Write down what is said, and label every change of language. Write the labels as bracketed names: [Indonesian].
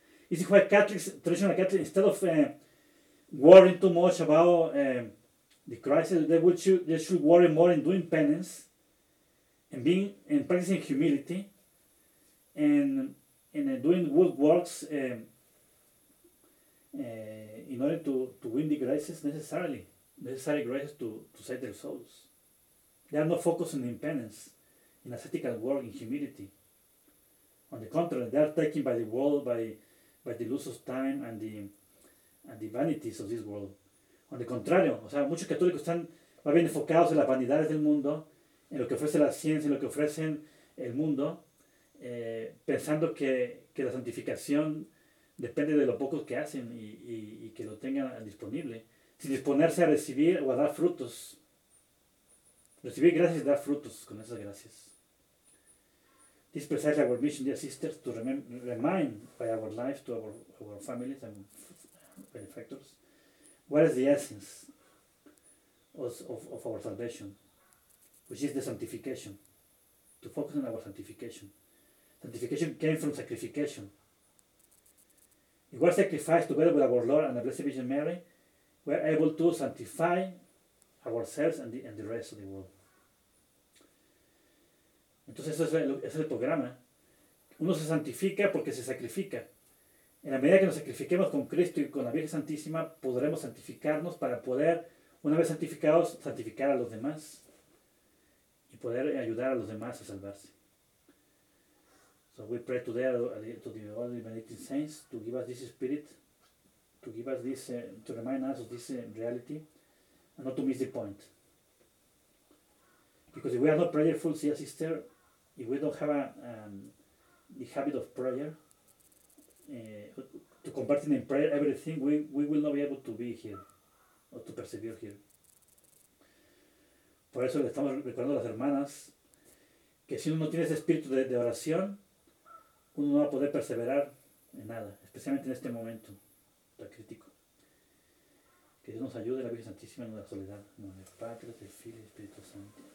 [English] This is why Catholics, traditional Catholics, instead of worrying too much about the crisis, they should worry more in doing penance and being and practicing humility and doing good works in order to win the graces necessary graces to save their souls. They are not focusing in penance, in ascetical work, in humility. On the contrary, they are taken by the world, by the loss of time and the vanities of this world. On the contrary, [Spanish] o sea, muchos católicos están más bien enfocados en las vanidades del mundo, en lo que ofrece la ciencia, en lo que ofrece el mundo, pensando que la santificación depende de lo poco que hacen y que lo tengan disponible, sin disponerse a recibir o a dar frutos. Recibir gracias y dar frutos con esas gracias. [English] This is precisely our mission, dear sisters, to remind by our life to our families and benefactors what is the essence of our salvation, which is the sanctification, to focus on our sanctification. Sanctification came from sacrification. If we are sacrificed together with our Lord and the Blessed Virgin Mary, we are able to sanctify ourselves and the rest of the world. [Spanish] Entonces eso es el programa. Uno se santifica porque se sacrifica. En la medida que nos sacrifiquemos con Cristo y con la Virgen Santísima, podremos santificarnos para poder, una vez santificados, santificar a los demás y poder ayudar a los demás a salvarse. [English] So we pray today to the all the Benedictine saints to give us this spirit, to give us this, to remind us of this reality, and not to miss the point. Because if we are not prayerful, see, sister, if we don't have the habit of prayer, to converting in prayer everything, we will not be able to be here or to persevere here. [Spanish] Por eso le estamos recordando a las hermanas que si uno no tiene ese espíritu de oración, uno no va a poder perseverar en nada, especialmente en este momento tan crítico. Que Dios nos ayude, la Virgen Santísima, en la soledad, en el Padre, del Hijo y del Espíritu Santo.